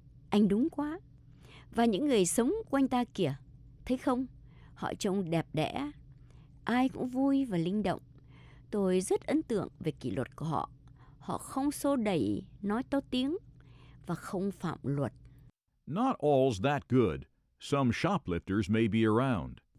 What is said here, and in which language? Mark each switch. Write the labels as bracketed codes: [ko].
[vi] Anh đúng quá. Và những người sống quanh ta kìa, thấy không? Họ trông đẹp đẽ. Ai cũng vui và linh động. Tôi rất ấn tượng về kỷ luật của họ. Họ không xô đẩy, nói to tiếng và không phạm luật. [en] Not all's that good. Some shoplifters may be around.